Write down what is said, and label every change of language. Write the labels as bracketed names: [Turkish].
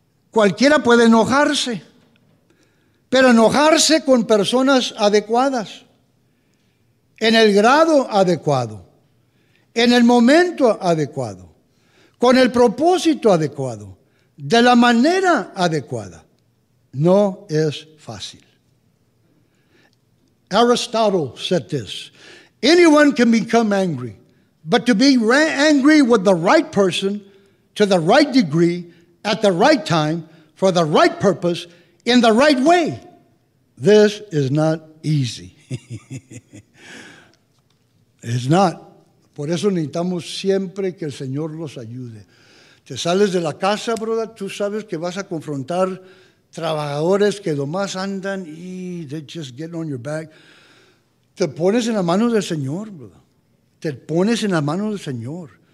[Spanish] Cualquiera puede enojarse, pero enojarse con personas adecuadas, en el grado adecuado, en el momento adecuado, con el propósito adecuado, de la manera adecuada, no es fácil. [English] Aristotle said this, anyone can become angry, but to be angry with the right person, to the right degree, at the right time, for the right purpose, in the right way, this is not easy. It's not. [Spanish] Por eso necesitamos siempre que el Señor los ayude. Te sales de la casa, brother, tú sabes que vas a confrontar trabajadores que nomás andan y [English] they just get on your back. [Spanish] Te pones en la mano del Señor, brother. Te pones en la mano del Señor.